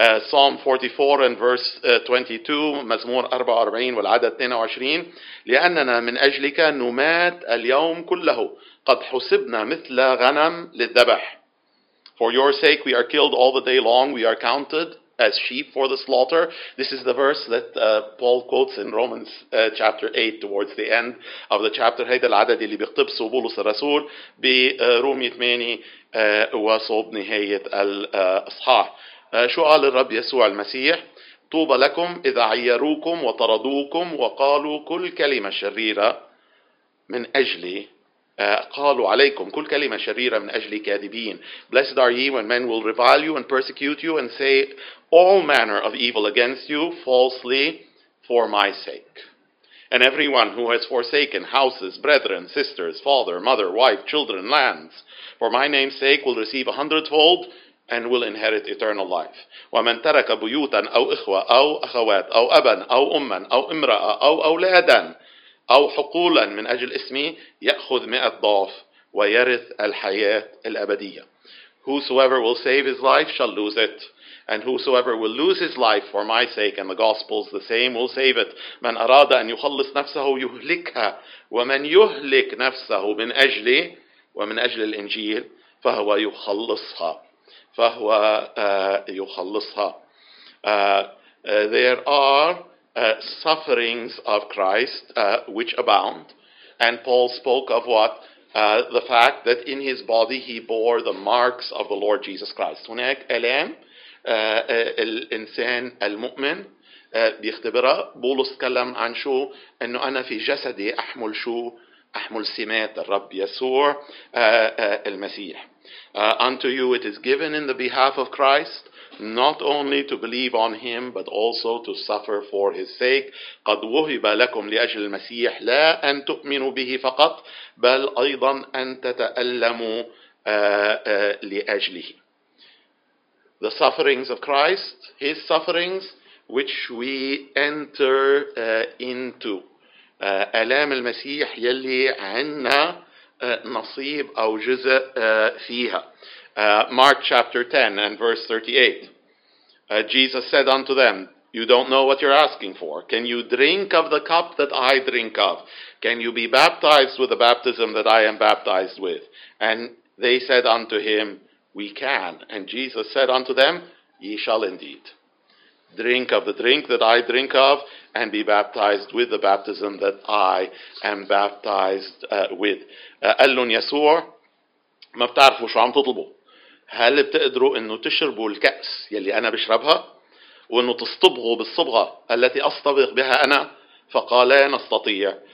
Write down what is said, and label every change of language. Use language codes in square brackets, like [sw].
[en] Psalm 44 and verse 22, [ar] مزمور 44 والعدد 22, لأننا من أجلك نمات اليوم كله قد حسبنا مثل غنم للذبح. [en] For your sake we are killed all the day long, we are counted as sheep for the slaughter. This is the verse that Paul quotes in Romans chapter 8 towards the end of the chapter. [ar] هيدا العدد اللي بيقتبسه بولس الرسول برومي 8 وصوب نهاية الأصحاح. شو قال الرب يسوع المسيح؟ طوبى لكم إذا عيروكم وطردوكم وقالوا كل كلمة شريرة من أجلي. قالوا عليكم كل كلمة شريرة من أجل كاذبين. [en] Blessed are ye when men will revile you and persecute you and say all manner of evil against you falsely for my sake. And everyone who has forsaken houses, brethren, sisters, father, mother, wife, children, lands for my name's sake will receive a hundredfold and will inherit eternal life. [ar] ومن ترك بيوتا أو إخوة أو أخوات أو أبا أو أما أو امرأة أو أولادا أو حقولا من أجل اسمي يأخذ 100 ضعف ويرث الحياة الأبدية. [en] Whosoever will save his life shall lose it, and whosoever will lose his life for my sake and the gospel's the same will save it. [ar] من أراد أن يخلص نفسه يهلكها ومن يهلك نفسه من أجلي ومن أجل الإنجيل فهو يخلصها فهو يخلصها. [en] There are sufferings of Christ which abound, and Paul spoke of what? The fact that in his body he bore the marks of the Lord Jesus Christ. [ar] هناك ألام الإنسان المؤمن بيختبرها. بولس تكلم عن شو؟ أنه أنا في جسدي أحمل شو؟ أحمل سمات الرب يسوع المسيح. [en] Unto you it is given in the behalf of Christ not only to believe on him but also to suffer for his sake. [ar] قد وهب لكم لأجل المسيح لا أن تؤمنوا به فقط بل أيضا أن تتألموا لأجله. [en] The sufferings of Christ, his sufferings which we enter into. [ar] ألام المسيح يلي عنا نصيب أو جزء فيها. [en] Mark chapter 10 and verse 38. Jesus said unto them, You don't know what you're asking for. Can you drink of the cup that I drink of? Can you be baptized with the baptism that I am baptized with? And they said unto him, we can. And Jesus said unto them, ye shall indeed drink of the drink that I drink of and be baptized with the baptism that I am baptized with. [ar] قال لهم يسوع ما بتعرفوا شو عم تطلبوا. هل بتقدروا انه تشربوا الكأس يلي انا بشربها وانه تصطبغوا بالصبغة التي اصطبغ بها انا؟ فقال لا نستطيع.